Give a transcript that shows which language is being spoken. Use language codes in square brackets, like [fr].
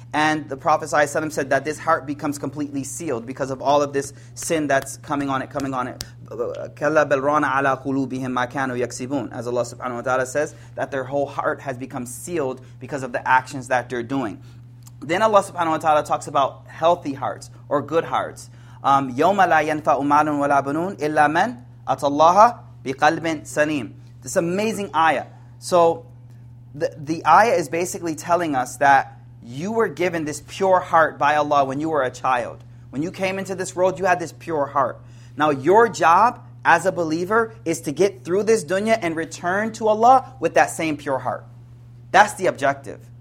[en] And the Prophet ﷺ said that this heart becomes completely sealed because of all of this sin that's coming on it. [ar] كَلَّا بَلْرَانَ عَلَىٰ قُلُوبِهِمْ مَا كَانُوا يَكْسِبُونَ [en] As Allah subhanahu wa ta'ala says, that their whole heart has become sealed because of the actions that they're doing. Then Allah subhanahu wa ta'ala talks about healthy hearts or good hearts. [ar] يَوْمَ لَا يَنْفَعُ مَالٌ وَلَا بَنُونَ إِلَّا مَنْ أَتَى اللَّهَ بِقَلْبٍ سَلِيمٍ [en] This amazing ayah. So the ayah is basically telling us that you were given this pure heart by Allah when you were a child. When you came into this world, you had this pure heart. Now your job as a believer is to get through this dunya and return to Allah with that same pure heart. That's the objective.